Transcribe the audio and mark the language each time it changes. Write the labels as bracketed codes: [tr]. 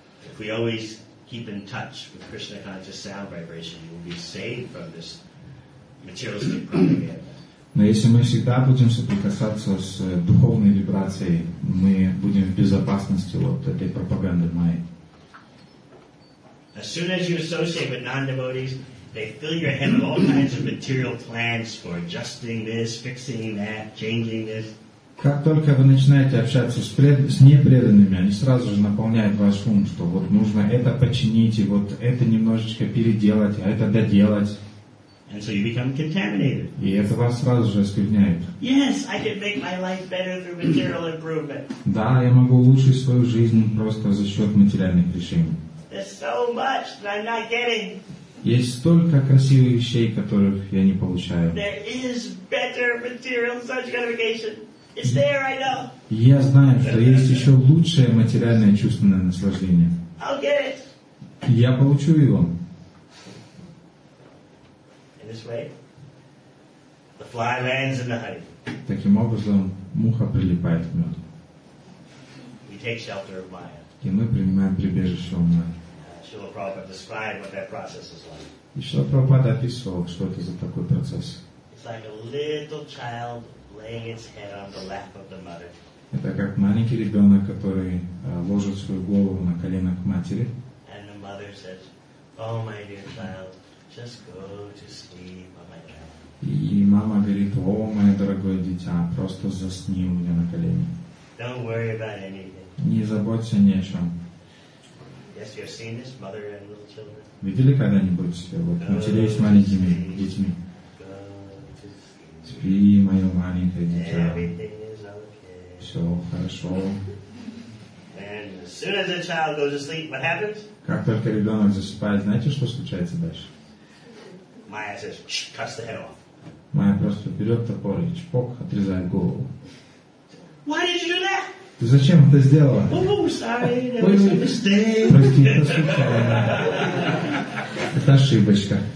[en] If we always keep in touch with Krishna conscious sound vibration, we will be saved from this materialistic propaganda. [ru] Но если мы всегда будем соприкасаться с духовной вибрацией, мы будем в безопасности вот этой пропаганды Майи. [en] As soon as you associate with non-devotees, they fill your head with all kinds of material plans for adjusting this, fixing that, changing this. [ru] Как только вы начинаете общаться с непреданными, они сразу же наполняют ваш ум, что вот нужно это починить, и вот это немножечко переделать, а это доделать. [en] And so you become contaminated. [ru] И это вас сразу же оскверняет. [en] Yes, I can make my life better through material improvement. [ru] Да, я могу улучшить свою жизнь просто за счет материальных решений. [en] There's so much that I'm not getting. [ru] Есть столько красивых вещей, которых я не получаю. [en] There is better material such gratification. It's there, I know. [ru] Я знаю, что есть еще лучшее материальное чувственное наслаждение. [en] I'll get it. [ru] Я получу его. [en] Way. The fly lands in the honey. [ru] Таким образом, муха прилипает к мёду. [en] We take shelter of Maya. [ru] И мы принимаем прибежище у Майи. [en] Шрила Прабхупада described what that process is like. [ru] И Шрила Прабхупада описывал, что это за такой процесс. [en] It's like a little child laying its head on the lap of the mother. [ru] Это как маленький ребенок, который ложит свою голову на колено к матери. [en] And the mother says, "Oh, my dear child." Just go to sleep on my couch. [ru] И мама говорит: «О, мое дорогое дитя, просто засни у меня на колени». [en] Don't worry about anything. [ru] Не заботься ни о чем. [en] Yes, you've seen this, mother and little children. [ru] Видели когда-нибудь вот матерей с маленькими детьми? [en] Go to sleep. [ru] Спи, мое маленькое дитя. [en] Everything is okay. [ru] Все хорошо. [en] And as soon as the child goes to sleep, what happens? [ru] Как только ребенок засыпает, знаете, что случается дальше? [en] Maya says, "Shh, cuts the head off." [ru] Maya просто берет топор и чпок, отрезает голову. [en] Why did you do that? [ru] Ты зачем это сделала? Прости, это ошибочка.